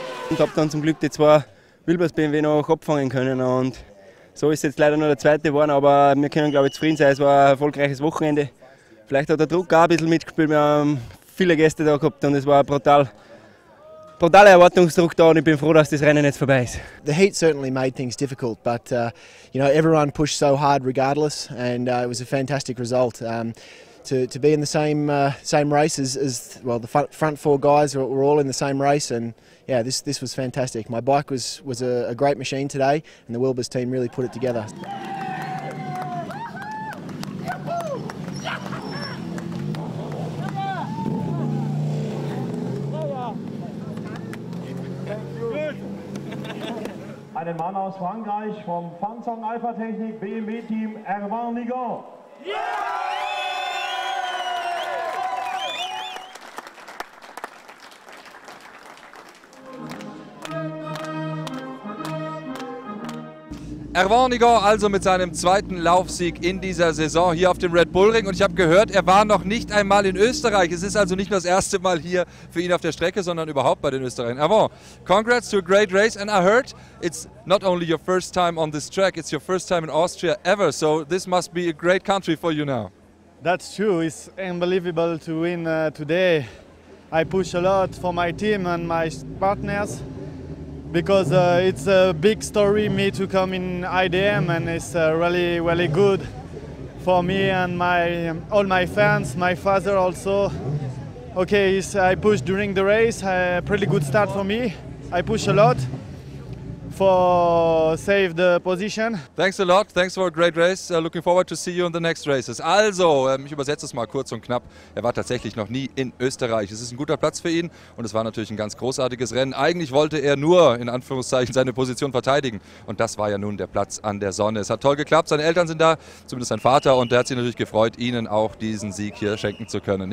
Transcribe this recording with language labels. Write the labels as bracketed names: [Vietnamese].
[German] und habe dann zum Glück die zwei Wilbers BMW noch abfangen können. Und so ist jetzt leider nur der zweite geworden, aber wir können, glaube ich, zufrieden sein. Es war ein erfolgreiches Wochenende. Vielleicht hat der Druck auch ein bisschen mitgespielt. Wir haben viele Gäste da gehabt und es war brutal. Brutaler Erwartungsdruck da und ich bin froh, dass das Rennen jetzt vorbei ist. [English] The heat certainly made things difficult, but you know, everyone pushed so hard regardless and it was a fantastic result. To be in the same race as well, the front four guys were all in the same race, and yeah, this was fantastic. My bike was a great machine today, and the Wilbers team really put it together. [German] Einen Mann aus Frankreich vom Fanzong Alpha Technik BMW Team, Hervin Nigon. Hervin Nigon also mit seinem zweiten Laufsieg in dieser Saison hier auf dem Red Bull Ring. Und ich habe gehört, er war noch nicht einmal in Österreich. Es ist also nicht nur das erste Mal hier für ihn auf der Strecke, sondern überhaupt bei den Österreichern. [English] Hervin, congrats to a great race. And I heard it's not only your first time on this track, it's your first time in Austria ever. So this must be a great country for you now. That's true. It's unbelievable to win today. I push a lot for my team and my partners. Because it's a big story me to come in IDM, and it's really, really good for me and all my fans, my father also. Okay, I pushed during the race, a pretty good start for me. I push a lot for save the position. Thanks a lot, thanks for a great race. Looking forward to see you in the next races. [German] Also, ich übersetze es mal kurz und knapp. Er war tatsächlich noch nie in Österreich. Es ist ein guter Platz für ihn und es war natürlich ein ganz großartiges Rennen. Eigentlich wollte er nur, in Anführungszeichen, seine Position verteidigen. Und das war ja nun der Platz an der Sonne. Es hat toll geklappt, seine Eltern sind da, zumindest sein Vater. Und er hat sich natürlich gefreut, ihnen auch diesen Sieg hier schenken zu können.